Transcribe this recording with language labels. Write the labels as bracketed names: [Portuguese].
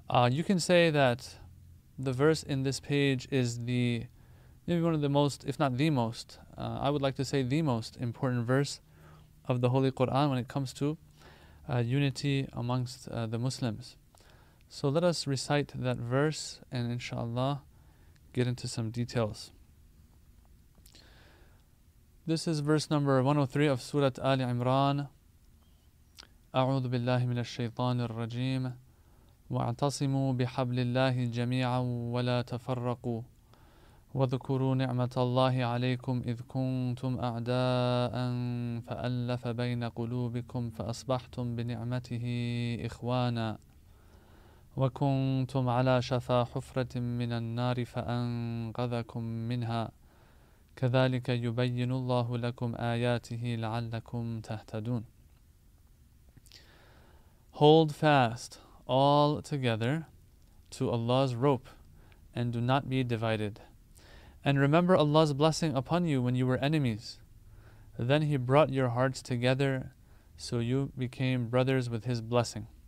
[English] You can say that the verse in this page is the maybe one of the most, if not the most, I would like to say the most important verse of the Holy Quran when it comes to unity amongst the Muslims. So let us recite that verse and inshallah get into some details. This is verse number 103 of Surah Ali Imran. [Arabic] أعوذ بالله من الشيطان الرجيم واعتصموا بحبل الله جميعا ولا تفرقوا واذكروا نعمة الله عليكم إذ كنتم أعداء فألف بين قلوبكم فأصبحتم بنعمته إخوانا وكنتم على شفا حفرة من النار فأنقذكم منها كذلك يبين الله لكم آياته لعلكم تهتدون. [English] Hold fast all together to Allah's rope and do not be divided. And remember Allah's blessing upon you when you were enemies. Then He brought your hearts together, so you became brothers with His blessing.